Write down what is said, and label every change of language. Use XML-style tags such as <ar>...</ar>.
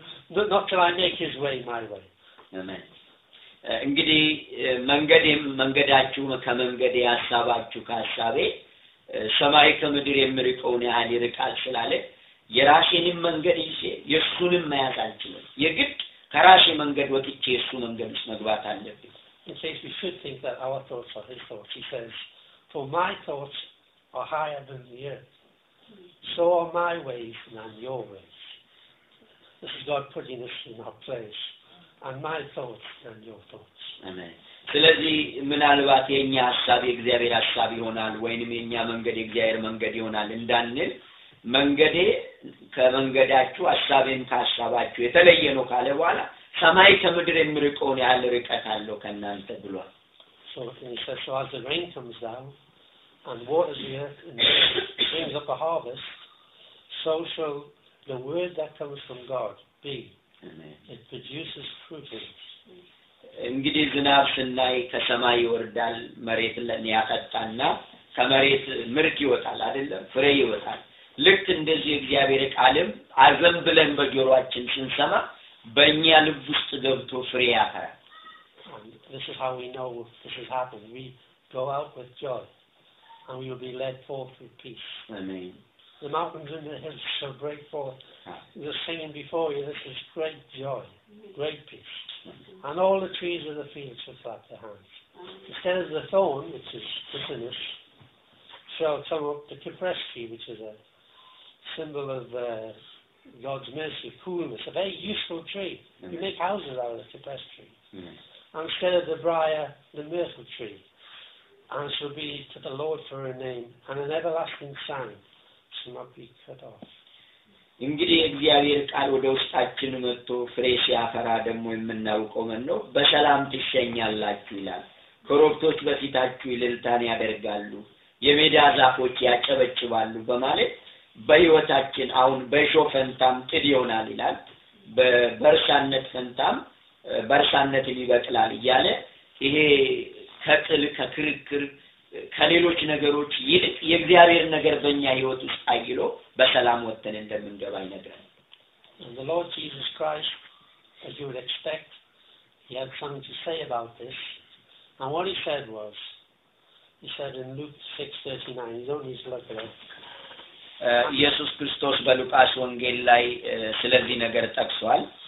<en>Not till I make his way my way. Amen.</en> <am>እንግዲህ መንገዳችሁ ከመንገዴ ሐሳባችሁ ከሐሳቤ ሰማይ ከምድር የሚርቀውን ያህል ይርቃል ስላለ የራሴንም መንገድ ይዤ የእሱንም መያዝ አልችልም የግድ ከራሴ መንገድ ወጥቼ የእሱ መንገድ ውስጥ መግባት አለብኝ</am> <en>He says we should think that our thoughts are his thoughts. He says, For my thoughts are higher than the earth. So are my ways than your ways. This is God putting us in our place. and my thoughts than your thoughts. Amen.</en> <am>ስለዚህ ምናልባት የኛ ሐሳብ የእግዚአብሔር ሐሳብ ይሆናል ወይንም የኛ መንገድ የእግዚአብሔር መንገድ ይሆናል እንዳንል መንገዴ ከመንገዳችሁ ሐሳቤም ከሐሳባችሁ የተለየ ነው ካለ በኋላ ሰማይ ከምድር የሚርቀውን ያህል ርቀት አለው ከእናንተ ብሏል.</am> <en>So as the rain comes down and waters the earth and brings up a harvest, so shall the word that comes from God be. Amen. It produces fruit in us.</en> <am>እንግዲህ ዝናብ ስናይ ከሰማይ ይወርዳል መሬት ላይ ያጠጣና ከመሬት ምርት ይወጣል አይደለም ፍሬ ይወጣል ልክ እንደዚህ እግዚአብሔር ቃልም አዘን ብለን በጆሮአችን ስንሰማ በእኛ ልብ ውስጥ ገብቶ ፍሬ ያፈራል.</am> <en>This is how we know this has happened. We go out with joy and we will be led forth with peace. Amen. The mountains and the hills shall break forth. You're singing before you, this is great joy, great peace. And all the trees of the field shall clap their hands. Instead of the thorn, which is bitterness, shall come up the cypress tree, which is a symbol of God's mercy, coolness, a very useful tree. You make houses out of the cypress tree. And instead of the briar, the myrtle tree, and shall be to the Lord for a name, and an everlasting sign shall not be cut off.</en> <am>እንግዲህ እግዚአብሔር ቃል ወደ ውስጣችን መጥቶ ፍሬሽ ያፈራ ደግሞ የምናውቀው ምን ነው በሰላም ትሸኛላችሁ ይላል ኮረብቶች በፊታችሁ ይልልታን ያደርጋሉ የሜዳ ዛፎች ያጨበጭባሉ በማለት በሕይወታችን አሁን በሾ ፈንታም ጥድ ይሆናል ይላል በበርሻነት ፈንታም በርሻነት ይበቅላል ይላል ይሄ ከጥል ከክርክር ከሌሎች ነገሮች ይልቅ የእግዚአብሔር ነገር በእኛ ሕይወት ውስጥ አይሎ በሰላም ወጥተን እንደምንገባ ይነግራል.</am> <en>The Lord Jesus Christ, as you would expect, he had something to say about this. And what he said was, he said in Luke 6:39, he's only just looking at it.</en> <am>ኢየሱስ ክርስቶስ በሉቃስ ወንጌል ላይ ስለዚህ ነገር ጠቅሷል.</am>